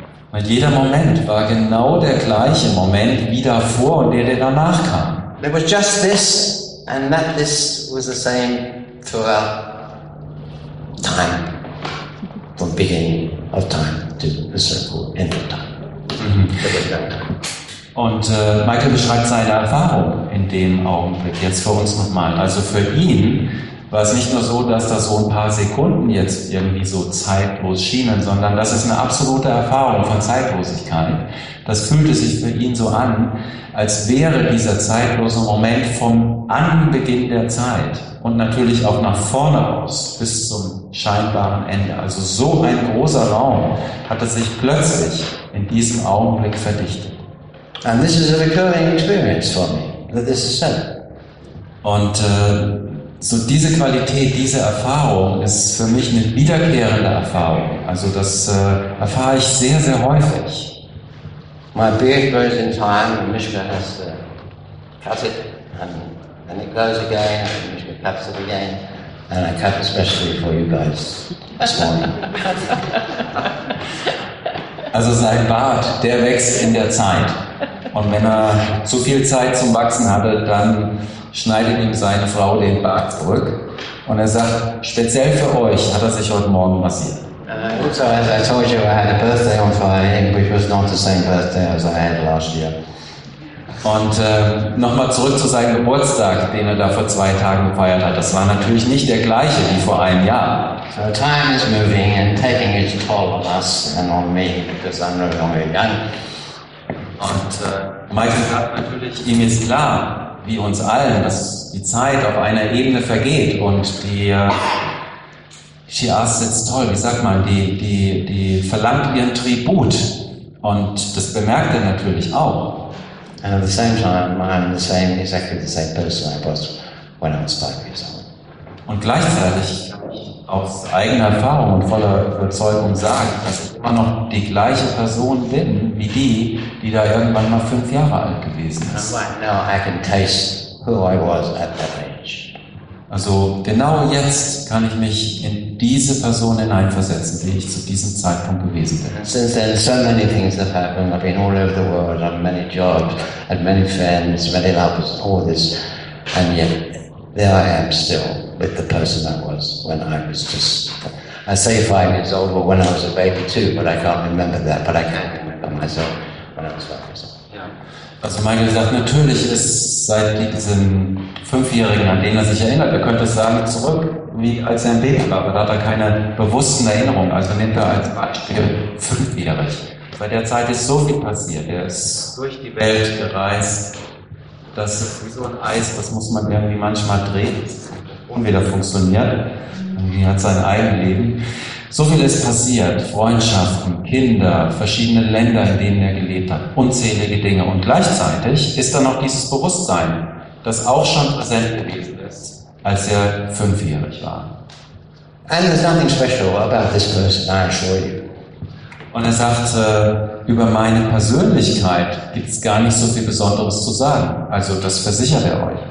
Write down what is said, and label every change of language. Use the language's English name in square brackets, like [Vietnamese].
[German] Weil jeder Moment war genau der gleiche Moment wie davor und der danach kam. [English] It was just this, and that this was the same throughout time, from beginning of time to the circle end of time. Mm-hmm. [German] Und Michael beschreibt seine Erfahrung in dem Augenblick jetzt für uns nochmal. Also für ihn war es nicht nur so, dass das so ein paar Sekunden jetzt irgendwie so zeitlos schienen, sondern das ist eine absolute Erfahrung von Zeitlosigkeit. Das fühlte sich für ihn so an, als wäre dieser zeitlose Moment vom Anbeginn der Zeit und natürlich auch nach vorne aus bis zum scheinbaren Ende. Also so ein großer Raum hatte sich plötzlich in diesem Augenblick verdichtet. [English] And this is a recurring experience for me, that this is so. [German] Und so diese Qualität, diese Erfahrung ist für mich eine wiederkehrende Erfahrung. Also das erfahre ich sehr, sehr häufig. [English] My beard grows in time, and Mishka has to cut it, and it grows again, and Mishka cuts it again, and I cut especially for you guys this morning. [German] Also sein Bart, der wächst in der Zeit. Und wenn er zu viel Zeit zum Wachsen hatte, dann schneidet ihm seine Frau den Bart zurück. Und er sagt, speziell für euch hat er sich heute Morgen massiert. [English] Also, as I told you, I had a birthday on Friday, which was not the same birthday as I had last year. [German] Und nochmal zurück zu seinem Geburtstag, den er da vor zwei Tagen gefeiert hat. Das war natürlich nicht der gleiche wie vor einem Jahr. [English] So time is moving and taking its toll on us and on me, because I'm no longer young. [German] Und Michael sagt natürlich, ihm ist klar, wie uns allen, dass die Zeit auf einer Ebene vergeht und die, [English] she asks, it's toll, [German] wie sagt man, die verlangt ihren Tribut. Und das bemerkt er natürlich auch. [English] And at the same time, I'm the same, exactly the same person I was when I was 5 years old. [German] Und gleichzeitig, aus eigener Erfahrung und voller Überzeugung sagt, dass ich immer noch die gleiche Person bin, wie die, die da irgendwann mal 5 Jahre alt gewesen ist. [English] Right now I can taste who I was at that age. [German] Also genau jetzt kann ich mich in diese Person hineinversetzen, die ich zu diesem Zeitpunkt gewesen bin. [English] Since then so many things have happened. I've been all over the world, I've many jobs, had many friends, many lovers, all this. And yet, there I am still. With the person I was when I was just, I say 5 years old, but when I was a baby too, but I can't remember that, but I can remember myself when I was 5 years old. Yeah. [German] Also Michael sagt, natürlich ist seit diesem 5-Jährigen, an den er sich erinnert, er könnte sagen, zurück, wie als er ein Baby war, aber da hat er keine bewussten Erinnerungen, also nimmt er als Beispiel 5-Jährig. Bei der Zeit ist so viel passiert, er ist durch die Welt gereist, das ist wie so ein Eis, das muss man irgendwie manchmal drehen. Und wieder funktioniert. Er hat sein eigenes Leben. So viel ist passiert. Freundschaften, Kinder, verschiedene Länder, in denen er gelebt hat. Unzählige Dinge. Und gleichzeitig ist dann noch dieses Bewusstsein, das auch schon präsent gewesen ist, als er 5-Jährig war. [English] And there's nothing special about this person, I assure you. [German] Und er sagt, über meine Persönlichkeit gibt es gar nicht so viel Besonderes zu sagen. Also das versichert er euch.